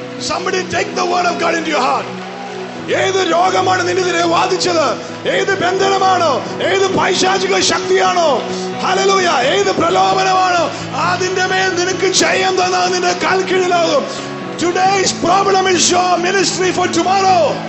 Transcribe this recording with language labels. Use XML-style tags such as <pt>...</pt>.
<en>Somebody take the word of God into your heart.</en> <ml>ഏത് രോഗമാണ് നിന്നെതിരെ വാദിച്ചത്? ഏത് ബന്ധനമാണോ, ഏത് പൈശാചിക ശക്തിയാണോ, ഹല്ലേലൂയ, ഏത് പ്രലോഭനമാണോ, അതിന്റെ മേൽ നിനക്ക് ജയം തന്നാൽ നിന്റെ കാൽ കീഴിലാകും.</ml> <en>Today's problem is your ministry for tomorrow.</en>